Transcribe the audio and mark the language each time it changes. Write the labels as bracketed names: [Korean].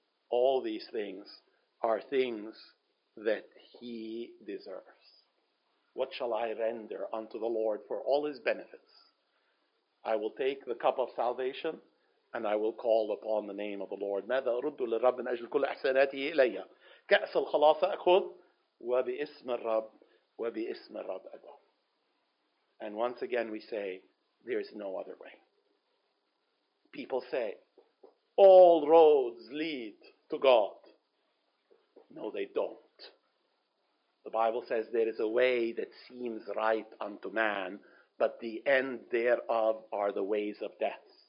[English] All these things are things that He deserves. What shall I render unto the Lord for all His benefits? I will take the cup of salvation, and I will call upon the name of the Lord. [Arabic] ماذا أرد للرب من أجل كل أحساناته إلي؟ كأس الخلاص أخذ وباسم الرب وباسم الرب أدع. [English] And once again we say, there is no other way. People say, all roads lead to God. No, they don't. The Bible says there is a way that seems right unto man, but the end thereof are the ways of death.